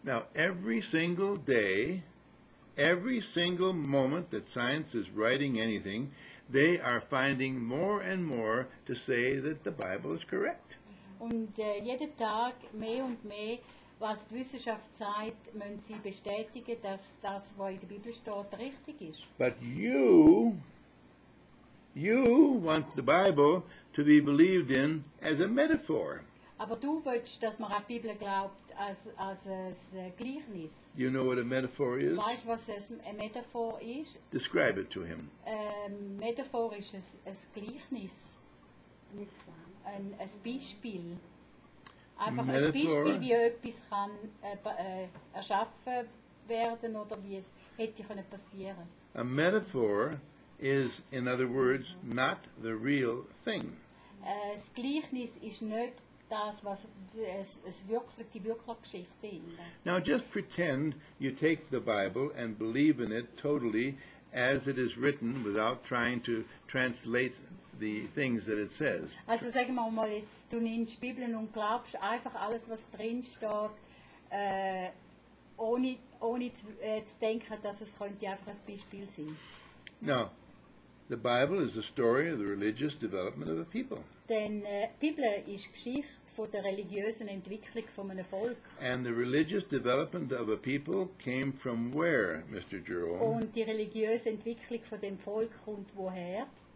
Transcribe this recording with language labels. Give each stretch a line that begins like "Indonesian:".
English: Now, every single day, every single moment that science is writing anything, they are finding more and more to say that the Bible is correct.
German: Und jeden Tag mehr und mehr, was die Wissenschaft sagt, müssen sie bestätigen, dass das, was in der Bibel steht, richtig ist.
English: But you want the Bible to be believed in as a metaphor.
German: Aber du willst, dass man an die Bibel glaubt als ein Gleichnis.
English: You know what a metaphor is?
German: Weißt, was eine Metaphor ist?
English: Describe it to him.
German: Metaphor ist ein Gleichnis. Ein Beispiel. Einfach
English: metaphor.
German: Ein Beispiel, wie etwas kann, erschaffen werden oder wie es hätte passieren können.
English: A metaphor is, in other words, not the real thing.
German: Das Gleichnis ist nicht das, was es wirklich, die wirkliche Geschichte ist.
English: Now just pretend you take the Bible and believe in it totally as it is written without trying to translate the things that it says.
German: Also sagen wir mal jetzt, du nimmst die Bibel und glaubst einfach alles, was drin steht, ohne zu denken, dass es könnte einfach ein Beispiel sein.
English: Now, the Bible is the story of the religious development of the people.
German: Denn die Bibel ist Geschichte von der religiösen Entwicklung von einem Volk.
English: And the religious development of a people came from where, Mr. Jerome?
German: Und die religiöse Entwicklung von dem Volk kommt woher?